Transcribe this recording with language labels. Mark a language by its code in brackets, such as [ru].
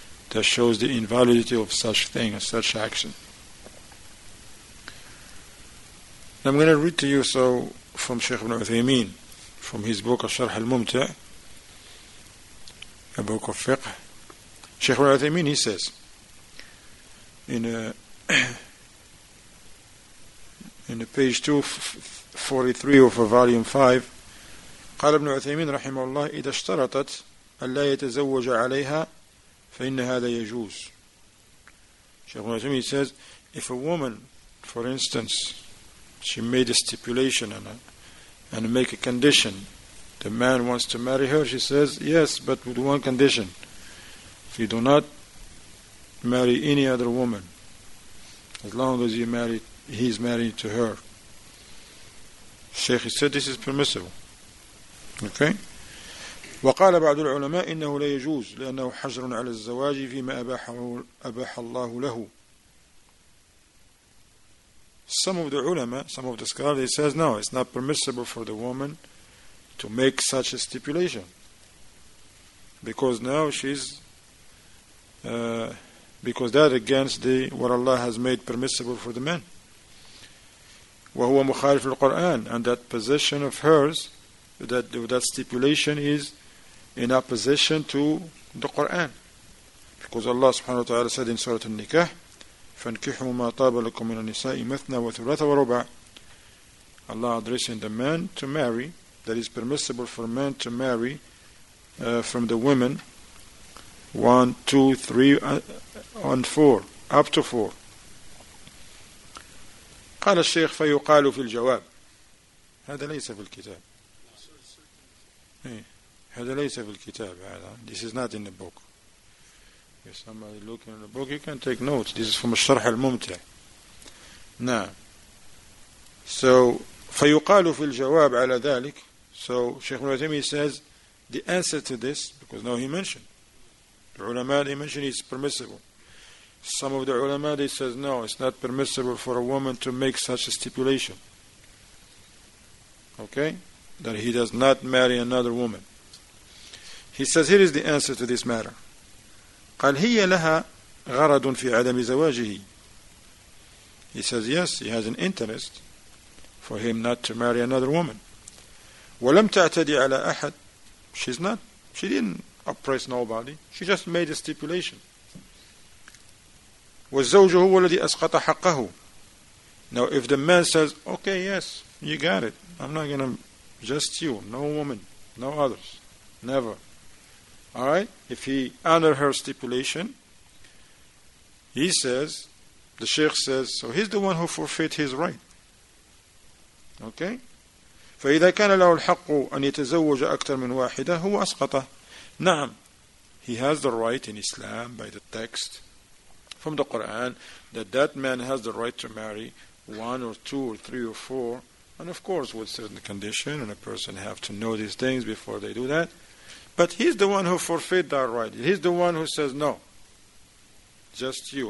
[en] That shows the invalidity of such thing and such action. I'm going to read to you so from Shaykh ibn Uthaymeen, from his book Al-Sharh Al-Mumta', a book of fiqh. Shaykh ibn Uthaymeen, he says, in page 243 of volume 5, [ar] قال ابن عثيمين رحمه الله إذا اشترطت أن لا يتزوج عليها فإن هذا يجوز. [en] Shaykh ibn Uthaymeen says, if a woman, for instance, she made a stipulation and make a condition, the man wants to marry her, she says, yes, but with one condition. If you do not marry any other woman, as long as he's married to her. Sheikh said this is permissible. Okay? [ar] وقال بعض العلماء إنه لا يجوز لأنه حجر على الزواج فيما أباح الله له. [en] Some of the ulama, some of the scholars, they says no, it's not permissible for the woman to make such a stipulation, because now she's because that against the what Allah has made permissible for the men. [ar] وهو مخالف القرآن, [en] and that position of hers, that stipulation is in opposition to the Quran, because Allah subhanahu wa ta'ala said in Surah An-Nikah, [ar] فَانْكِحُوا مَا طَابَ لَكُمْ مِنَ النِّسَاءِ مَثْنَى وَثُلَاثَ وَرُبَعَ. [en] Allah addressing the man to marry, that is permissible for men to marry from the women 1, 2, 3, and 4, up to 4. [ar] قال الشيخ فيقال في الجواب هذا ليس في الكتاب. هذا ليس في الكتاب. [en] This is not in the book. If somebody looking in the book, you can take notes. This is from الشرح الممتع. [ar] So, فيقال في الجواب على ذلك. [en] So, Shaykh Al-Azimi says, the answer to this, because now he mentioned, the ulama, they mentioned it's permissible. Some of the ulama, they says, no, it's not permissible for a woman to make such a stipulation. Okay? That he does not marry another woman. He says, here is the answer to this matter. [ar] قال هي لها غرض في عدم زواجه. [en] He says yes, he has an interest for him not to marry another woman. [ar] ولم تعتدي على أحد. [en] She didn't oppress nobody. She just made a stipulation. [ar] والزوج هو الذي أسقط حقه. [en] Now if the man says, okay, yes, you got it, I'm not gonna just you, no woman, no others, never. Alright, if he honored her stipulation, he says, the sheikh says, so he's the one who forfeit his right. Okay? [ar] فإذا كان له الحق أن يتزوج أكثر من واحدة هو أسقطه. [en] نعم, he has the right in Islam by the text from the Quran that man has the right to marry 1 or 2 or 3 or 4, and of course with certain condition, and a person have to know these things before they do that. But he's the one who forfeit that right. He's the one who says, no, just you.